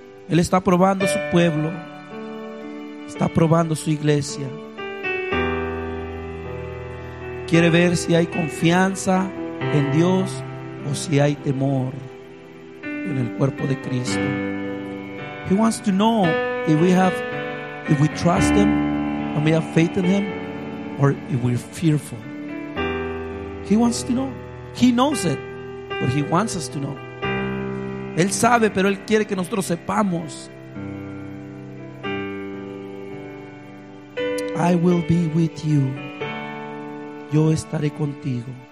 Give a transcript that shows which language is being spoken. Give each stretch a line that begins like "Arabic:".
Spanish: Él está probando su pueblo. Está probando su iglesia. Quiere ver si hay confianza en Dios o si hay temor en el cuerpo de Cristo.
English: He wants to know if we trust Him and we have faith in Him or if we're fearful. He wants to know. He knows it, but He wants us to know.
Spanish: Él sabe, pero Él quiere que nosotros sepamos.
English: I will be with you.
Spanish: Yo estaré contigo.